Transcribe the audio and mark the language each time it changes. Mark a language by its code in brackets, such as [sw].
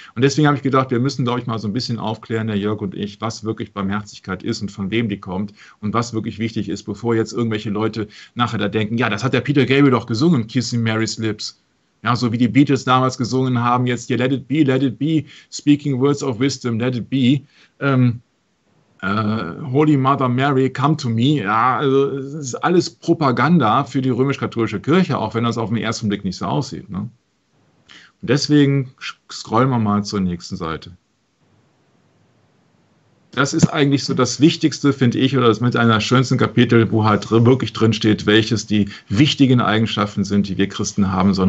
[de] Und deswegen habe ich gedacht, wir müssen, glaube ich, mal so ein bisschen aufklären, der Jörg und ich, was wirklich Barmherzigkeit ist und von wem die kommt und was wirklich wichtig ist, bevor jetzt irgendwelche Leute nachher da denken, ja, das hat der Peter Gabriel doch gesungen, Kissing Mary's Lips. Ja, so wie die Beatles damals gesungen haben, jetzt hier [en] let it be, speaking words of wisdom, let it be. Holy Mother Mary, come to me. [de] Ja, also es ist alles Propaganda für die römisch-katholische Kirche, auch wenn das auf den ersten Blick nicht so aussieht. Ne? Und deswegen scrollen wir mal zur nächsten Seite. Das ist eigentlich so das Wichtigste, finde ich, oder das mit einer schönsten Kapitel, wo halt wirklich drin steht, welches die wichtigen Eigenschaften sind, die wir Christen haben sollen.